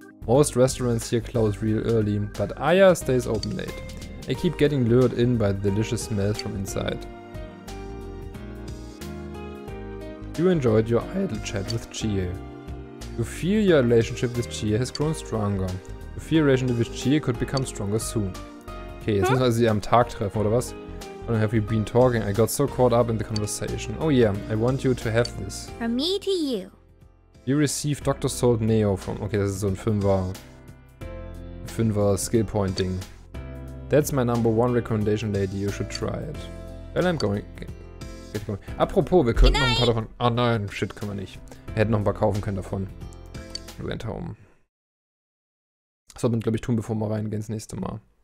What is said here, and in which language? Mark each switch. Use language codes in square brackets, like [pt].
[en] Most restaurants here close real early, but Aya stays open late. I keep getting lured in by the delicious smells from inside. You enjoyed your idle chat with Chie. You feel your relationship with Chie has grown stronger. You feel your relationship with Chie could become stronger soon. [de] Okay, jetzt müssen wir sie am Tag treffen, oder was? [en] Or have you been talking? I got so caught up in the conversation. Oh yeah, I want you to have this. From me to you. You receive Dr. Soul Neo from... [de] Okay, das ist so ein Fünfer Skill Point Ding. [en] That's my number one recommendation, lady. You should try it. Well, I'm going. [de] Apropos, wir könnten noch ein paar davon. Oh nein, shit, können wir nicht. Wir hätten noch ein paar kaufen können davon. [en] We went home. [de] Das sollten wir, glaube ich, tun, bevor wir reingehen das nächste Mal.